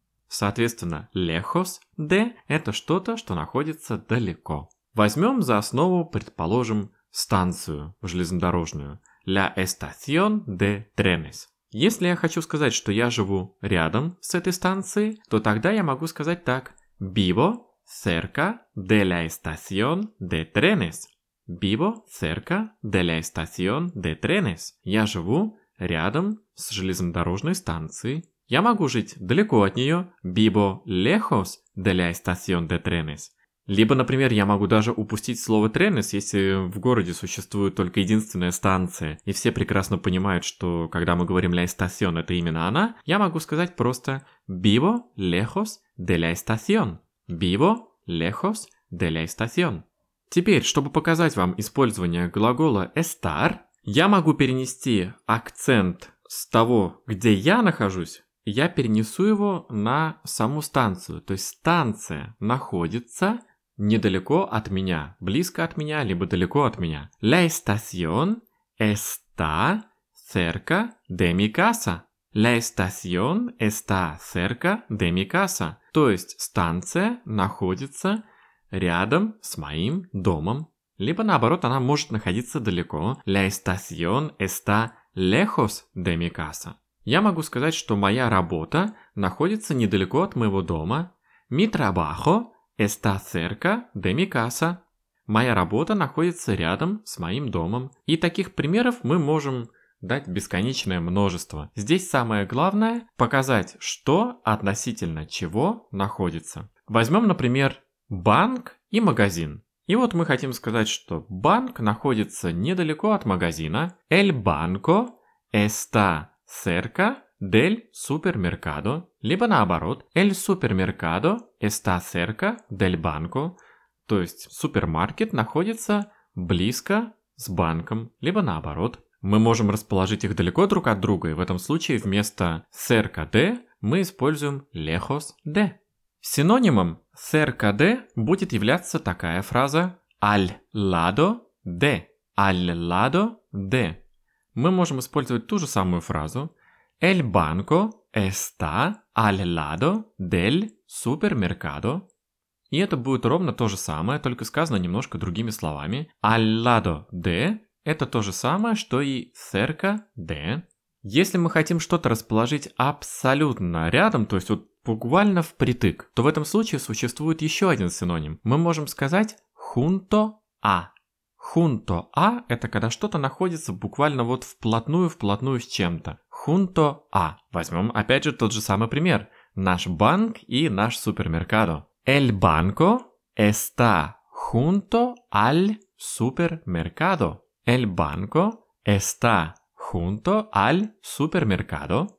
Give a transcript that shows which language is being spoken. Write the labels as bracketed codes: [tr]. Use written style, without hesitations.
[ru] Соответственно, [es] lejos de [ru] – это что-то, что находится далеко. Возьмем за основу, предположим, станцию железнодорожную. [es] La estación de trenes. [ru] Если я хочу сказать, что я живу рядом с этой станцией, то тогда я могу сказать так. [es] Vivo cerca de la estación de trenes. Vivo cerca de la estación de trenes. [ru] Я живу рядом с железнодорожной станцией. Я могу жить далеко от нее. [es] Vivo lejos de la estación de trenes. [ru] Либо, например, я могу даже упустить слово «тренес», если в городе существует только единственная станция, и все прекрасно понимают, что когда мы говорим [es] «la estación» [ru] — это именно она, я могу сказать просто [es] «vivo lejos de la estación». «Vivo lejos de la estación». [ru] Теперь, чтобы показать вам использование глагола «estar», я могу перенести акцент с того, где я нахожусь, я перенесу его на саму станцию, то есть станция находится недалеко от меня, близко от меня, либо далеко от меня. [es] La estación está cerca de mi casa. La estación está cerca de mi casa. [ru] То есть станция находится рядом с моим домом. Либо наоборот, она может находиться далеко. La estación está lejos de mi casa. Я могу сказать, что моя работа находится недалеко от моего дома. [es] Mi trabajo está cerca de mi casa. [ru] Моя работа находится рядом с моим домом. И таких примеров мы можем дать бесконечное множество. Здесь самое главное – показать, что относительно чего находится. Возьмем, например, банк и магазин. И вот мы хотим сказать, что банк находится недалеко от магазина. [es] El banco está cerca del supermercado, [ru] либо наоборот, [es] el supermercado está cerca del banco, [ru] то есть супермаркет находится близко с банком, либо наоборот. Мы можем расположить их далеко друг от друга, и в этом случае вместо cerca de мы используем lejos de. Синонимом cerca de будет являться такая фраза [es] al lado de, al lado de. [ru] Мы можем использовать ту же самую фразу. [es] El banco está al lado del supермеркado. [ru] И это будет ровно то же самое, только сказано немножко другими словами. Al lado de – это то же самое, что и cerca de. Если мы хотим что-то расположить абсолютно рядом, то есть вот буквально впритык, то в этом случае существует еще один синоним. Мы можем сказать junto a. Junto a – это когда что-то находится буквально вот вплотную с чем-то. [es] Junto a. [ru] Возьмем опять же тот же самый пример. Наш банк и наш супермеркадо. [es] El banco está junto al supermercado. El banco está junto al supermercado.